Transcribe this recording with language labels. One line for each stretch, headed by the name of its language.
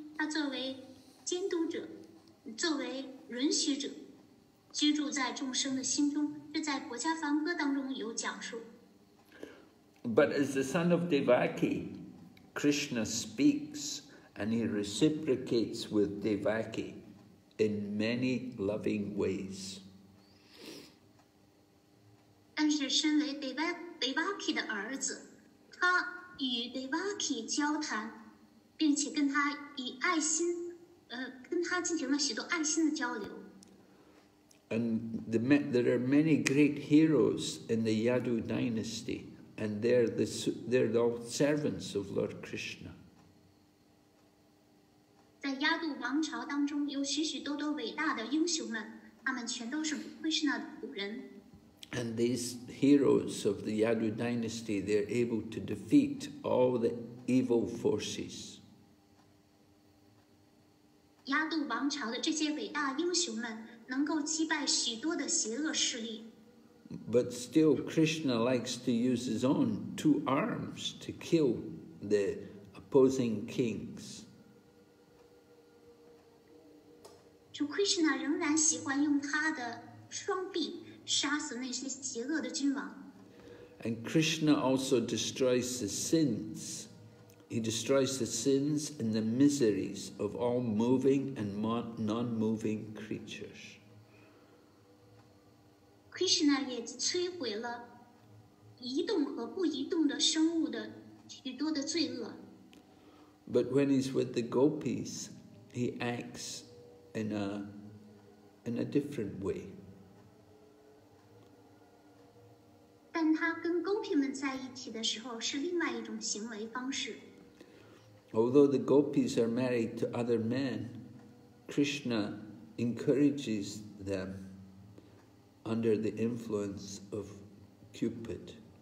Chinese: 他作为监督者，作为允许者，居住在众生的心中。这在《国家梵歌》当中有讲述。
English: But as the son of Devaki. Krishna speaks and he reciprocates with Devaki in many loving ways.
Chinese: 但是身为 Devaki 的儿子，他与 Devaki 交谈，并且跟他以爱心，跟他进行了许多爱心的交流。
English: And there are many great heroes in the Yadu dynasty. And they're all servants of Lord Krishna.
Chinese: 在亚度王朝当中，有许许多多伟大的英雄们，他们全都是 Krishna 的仆人。
English: And these heroes of the Yadu dynasty, they're able to defeat all the evil forces.
Chinese: 亚度王朝的这些伟大英雄们，能够击败许多的邪恶势力。
English: But still, Krishna likes to use his own two arms to kill the opposing kings.
Chinese: So Krishna 仍然喜欢用他的双臂杀死那些邪恶的君王。
English: And Krishna also destroys the sins He destroys the sins and the miseries of all moving and non-moving creatures.
Chinese: Krishna 也摧毁了移动和不移动的生物的许多的罪恶。
English: But when he's with the gopis, he acts in a different way.
Chinese: 但他跟gopi们在一起的时候是另外一种行为方式。
English: Although the gopis are married to other men, Krishna encourages them under the influence of Cupid.